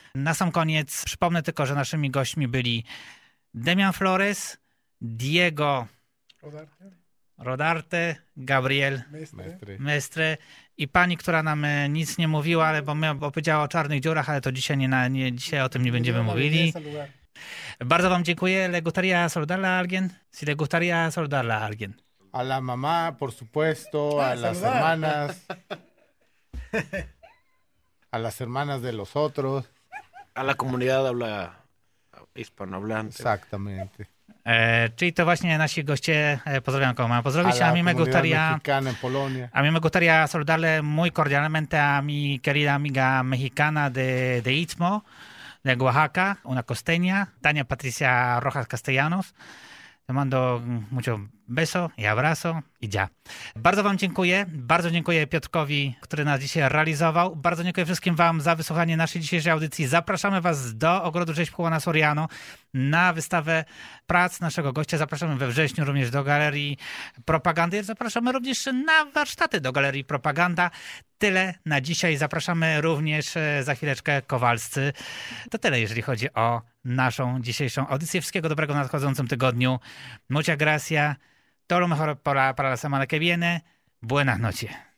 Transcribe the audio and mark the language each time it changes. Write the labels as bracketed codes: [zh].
[pl] Na sam koniec przypomnę tylko, że naszymi gośćmi byli Demian Flores, Diego Rodarte, Gabriel Mestre i pani, która nam nic nie mówiła, ale bo powiedziała o czarnych dziurach, ale to dzisiaj dzisiaj o tym nie będziemy mówili. Bardzo wam dziękuję. [es] Le gustaría saludarla a alguien? Si le gustaría saludarla a alguien. A la mamá, por supuesto, a las hermanas. A las hermanas de los otros. A la comunidad habla hispanohablante. Exactamente. [pl] Czyli to właśnie nasi goście pozdrawiam koma. Pozdrowić [es] a mi me gustaría. A mi me gustaría saludarle muy cordialmente a mi querida amiga mexicana de Istmo, de Oaxaca, una costeña, Tania Patricia Rojas Castellanos. Te mando mucho beso y abrazo i ya. [pl] Bardzo wam dziękuję. Bardzo dziękuję Piotrkowi, który nas dzisiaj realizował. Bardzo dziękuję wszystkim wam za wysłuchanie naszej dzisiejszej audycji. Zapraszamy was do Ogrodu Rzeźb Juana Soriano na wystawę prac naszego gościa. Zapraszamy we wrześniu również do Galerii Propagandy. Zapraszamy również na warsztaty do Galerii Propaganda. Tyle na dzisiaj. Zapraszamy również za chwileczkę Kowalscy. To tyle, jeżeli chodzi o naszą dzisiejszą audycję. Wszystkiego dobrego w nadchodzącym tygodniu. [es] Mucha gracia. Todo lo mejor para la semana que viene. Buenas noches.